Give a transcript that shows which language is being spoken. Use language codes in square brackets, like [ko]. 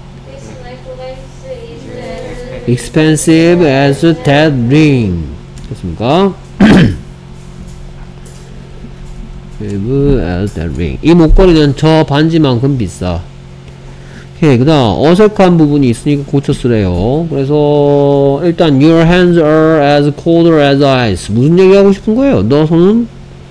[en] This necklace is expensive as that ring. [ko] 됐습니까? [en] Expensive as that ring. [ko] 이 목걸이는 저 반지만큼 비싸. 오케이, 그 다음 어색한 부분이 있으니까 고쳤으래요. 그래서 일단 [en] Your hands are as cold as ice. [ko] 무슨 얘기하고 싶은 거예요? 너 손은?